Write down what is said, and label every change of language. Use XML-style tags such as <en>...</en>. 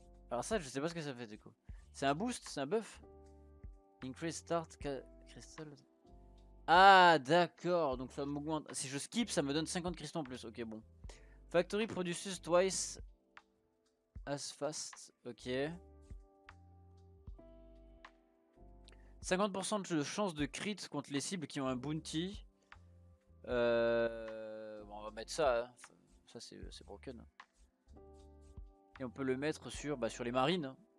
<fr>Alors ça, je sais pas ce que ça fait du coup. C'est un boost, c'est un buff.</fr> <en>Increase start crystal.</en> <fr>Ah d'accord, donc ça m'augmente. Si je skip, ça me donne 50 cristaux en plus. Ok, bon.</fr> <en>Factory produces twice as fast. Ok.</en> <fr>50% de chance de crit contre les cibles qui ont un bounty. Bon, on va mettre ça. Hein. Ça, c'est broken. Et on peut le mettre sur, bah, sur les marines.</fr>